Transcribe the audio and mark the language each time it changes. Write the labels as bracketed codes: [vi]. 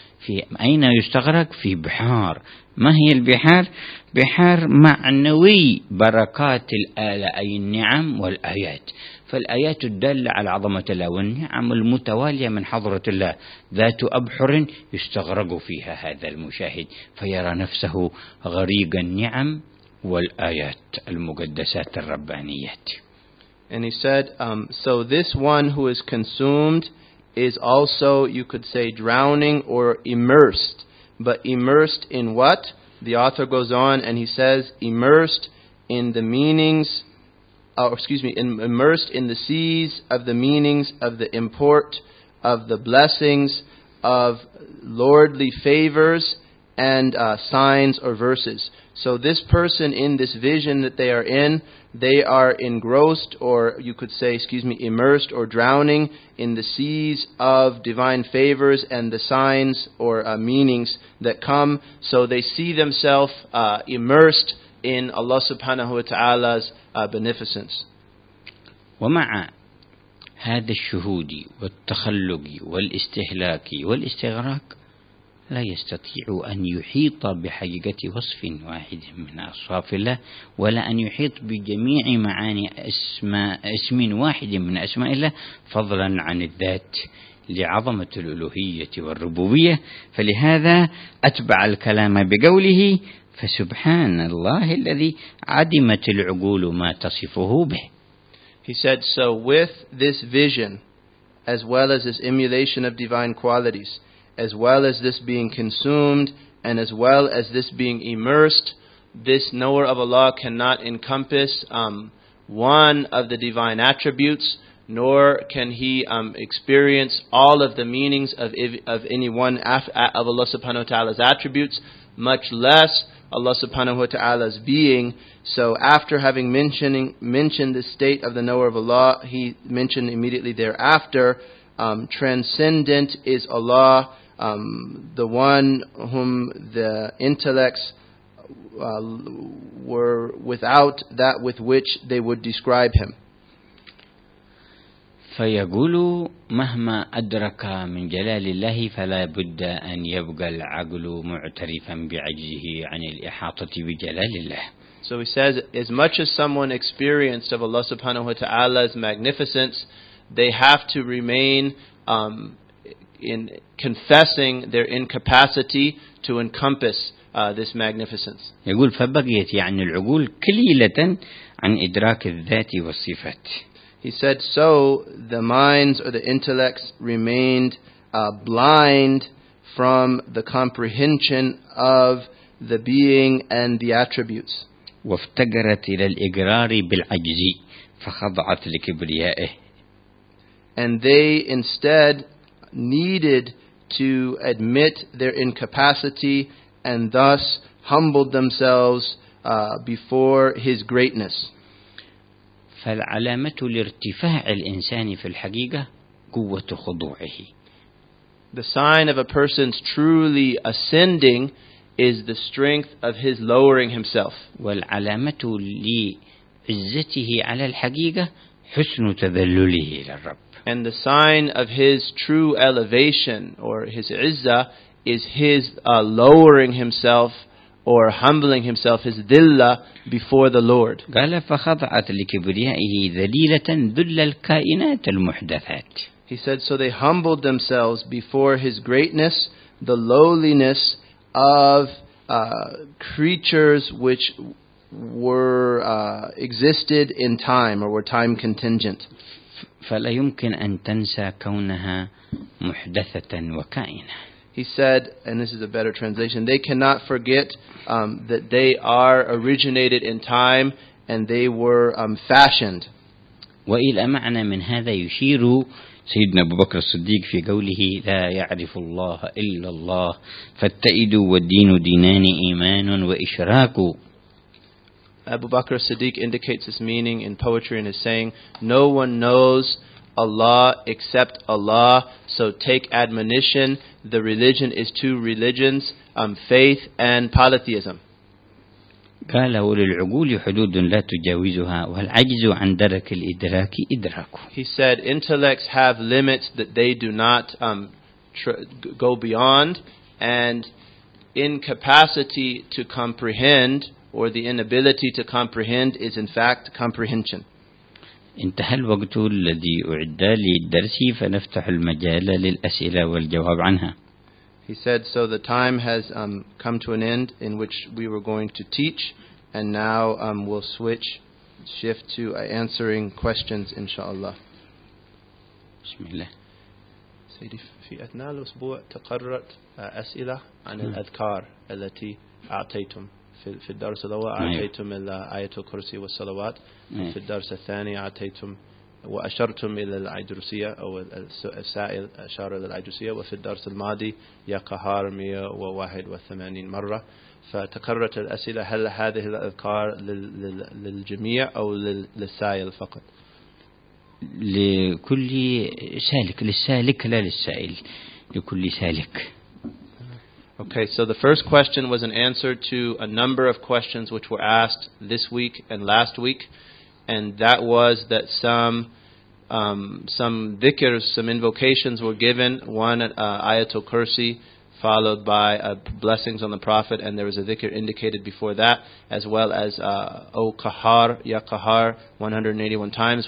[ar] في أين يستغرق؟ في بحار. ما هي البحار؟ بحار معنوي بركات الآلة أي النعم والآيات. فالآيات الدالة على عظمة الله والنعم المتوالية من حضرة الله ذات أبحر يستغرق فيها هذا المشاهد، فيرى نفسه غريق النعم والآيات المقدسات الربانيات. [en] And he said, so this one who is consumed is also, you could say, drowning or immersed. But immersed in what? The author goes on and he says, immersed in the meanings, immersed in the seas of the meanings of the import of the blessings of lordly favors and signs or verses. So this person in this vision that they are in, they are engrossed, or you could say, immersed or drowning in the seas of divine favors and the signs or meanings that come. So they see themselves immersed in Allah [ar] subhanahu wa ta'ala's [en] beneficence. [ar] ومع هذا الشهود والتخلق والاستهلاك والاستغراق لا يستطيع أن يحيط بحقيقة وصف واحد من أصفاف الله، ولا أن يحيط بجميع معاني اسم واحد من أسماء الله، فضلا عن الذات لعظمة الألوهية والربوبية. فلهذا أتبع الكلام بقوله: فسبحان الله الذي عدمت العقول ما تصفه به. [en] He said, so with this vision, as well as this emulation of divine qualities, as well as this being consumed, and as well as this being immersed, this knower of Allah cannot encompass one of the divine attributes, nor can he experience all of the meanings of any one of Allah [ar] subhanahu wa ta'ala's [en] attributes, much less Allah subhanahu wa ta'ala's being. So after having mentioned the state of the knower of Allah, he mentioned immediately thereafter, transcendent is Allah, the one whom the intellects were without that with which they would describe him. [ar] فيقول مهما أدرك من جلال الله فلا بد أن يبقى العقل معترفا بعجزه عن الإحاطة بجلال الله. [en] So he says, as much as someone experienced of Allah [ar] subhanahu wa ta'ala's [en] magnificence, they have to remain in confessing their incapacity to encompass this magnificence. [ar] يقول فبقيت يعني العقول كليلة عن إدراك الذات والصفات. [en] He said, so the minds or the intellects remained blind from the comprehension of the being and the attributes. [ar] وافتقرت إلى الإقرار بالعجز فخضعت لكبريائه. [en] And they instead needed to admit their incapacity and thus humbled themselves before his greatness. [ar] فالعلامة لارتفاع الإنسان في الحقيقة قوة خضوعه. [en] The sign of a person's truly ascending is the strength of his lowering himself. [ar] والعلامة لعزته على الحقيقة حسن تذلله للرب. [en] And the sign of his true elevation or his izzah is his lowering himself or humbling himself, his dhilla before the Lord. [ar] قال فخضعت لكبريائه ذليلة ذل الكائنات المحدثات. [en] He said, so they humbled themselves before his greatness, the lowliness of creatures which were existed in time or were time contingent. [ar] فلا يمكن أن تنسى كونها محدثة وكائنة. [en] He said, and this is a better translation, they cannot forget that they are originated in time and they were fashioned. [ar] وإلى معنى من هذا يشير سيدنا أبو بكر الصديق في قوله: لا يعرف الله إلا الله، فالتأيد والدين دينان إيمان وإشراك. [en] Abu Bakr as-Siddiq indicates this meaning in poetry and is saying, no one knows Allah except Allah, so take admonition. The religion is two religions, faith and polytheism. [ar] قال وللعقول حدود لا تجاوزها والعجز عن درك الإدراك إدراكه. [en] He said, intellects have limits that they do not go beyond, and incapacity to comprehend, or the inability to comprehend, is in fact comprehension. [ar] انتهى الوقت الذي أعد للدرس فنفتح المجال للأسئلة والجواب عنها. [en] He said, so the time has come to an end in which we were going to teach, and now we'll shift to answering questions, inshallah. [ar] بسم الله. سيدي في أثناء الأسبوع تقررت أسئلة عن الأذكار التي أعطيتم. في الدرس الأول أعطيتم آية الكرسي والصلوات، في الدرس الثاني أعطيتم وأشرتم إلى العجرسية، أو السائل أشار إلى العجرسية، وفي الدرس الماضي يا قهار 181 مرة. فتكررت الأسئلة، هل هذه الأذكار للجميع أو للسائل فقط؟ لكل سالك، للسالك لا للسائل، لكل سالك. [en] Okay, so the first question was an answer to a number of questions which were asked this week and last week, and that was that some dhikrs, some invocations were given, one ayatul kursi, followed by blessings on the Prophet, and there was a dhikr indicated before that, as well as O Qahar, Ya Qahar, 181 times.